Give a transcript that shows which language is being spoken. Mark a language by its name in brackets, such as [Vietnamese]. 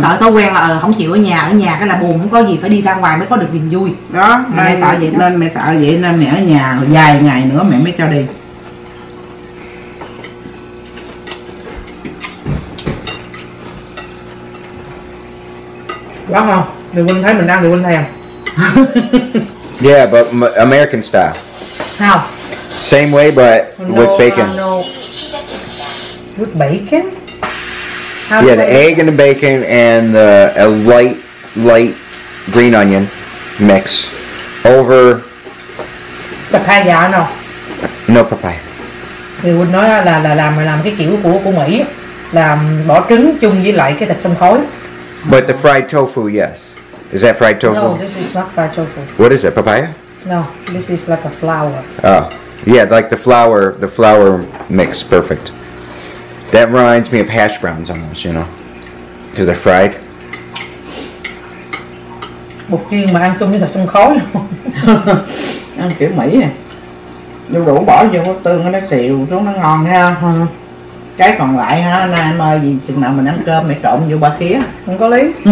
[Vietnamese] Sợ thói quen là không chịu ở nhà cái là buồn, không có gì, phải đi ra ngoài mới có được niềm vui đó. Mẹ sợ vậy đó. Nên mẹ sợ vậy nên mẹ ở nhà vài ngày nữa mẹ mới cho đi. Quá không, thì Quynh thấy mình đang, thì Quynh thèm. [English] Yeah, but American style. How? Same way, but with bacon. With bacon? How yeah, the bacon? Egg and the bacon and a light green onion mix over... Papaya, no. No papaya. [Vietnamese] Thì Quynh nói là làm cái kiểu của Mỹ, làm bỏ trứng chung với lại cái thịt xông khói. [English] But the fried tofu, yes. Is that fried tofu? No, this is not fried tofu. What is it, papaya? No, this is like a flour. Oh, yeah, like the flour mix, perfect. That reminds me of hash browns almost, you know, because they're fried. [Vietnamese] Một khi mà ăn chung với thịt xông khói, ăn kiểu Mỹ à. Vô đủ bỏ vô cái tương nó xìu xuống nó ngon ha. Cái còn lại ha, nay em ơi, gì chừng nào mình ăn cơm mày trộn vô ba khía, không có lý.